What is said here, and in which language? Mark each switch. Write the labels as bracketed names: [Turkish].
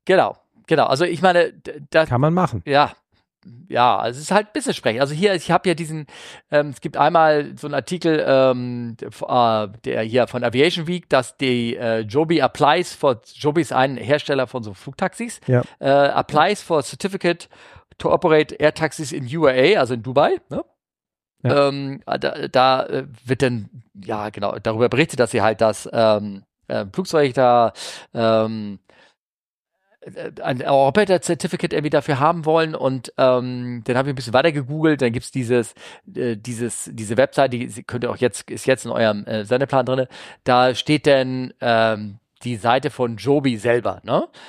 [German] Genau, Genau, also ich meine, da kann man machen. Ja. Ja, also es ist halt Business Sprech. Also hier, ich habe ja diesen, es gibt einmal so einen Artikel, der hier von Aviation Week, dass die Joby [English] applies for, [German] Joby ist ein Hersteller von so Flugtaxis, ja. [English] Applies for certificate to operate air taxis in UAE, [German] also in Dubai, ne? Ja. Da wird dann, ja genau, darüber berichtet, dass sie halt das Flugzeug da, ein Operator Certificate irgendwie dafür haben wollen und dann habe ich ein bisschen weiter gegoogelt, dann gibt es dieses, diese Website, die könnt ihr auch jetzt, ist jetzt in eurem Sendeplan drin, da steht dann die Seite von Joby selber, ne?